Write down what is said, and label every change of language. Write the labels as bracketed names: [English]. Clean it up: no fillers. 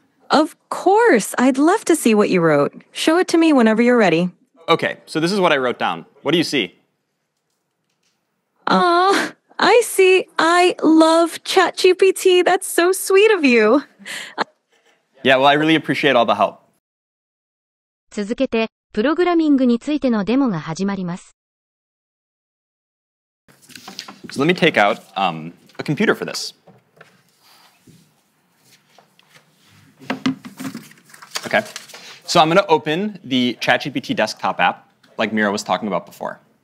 [English] Of course. I'd love to see what you wrote. Show it to me whenever you're ready. Okay, so this is what I wrote down. What do you see? Aw, I see. I love ChatGPT. That's so sweet of you. Yeah, well, I really appreciate all the help. [Japanese] 続けて、プログラミングについてのデモが始まります。 [English] So let me take out a computer for this. Okay. So I'm going to open the ChatGPT desktop app like Mira was talking about before.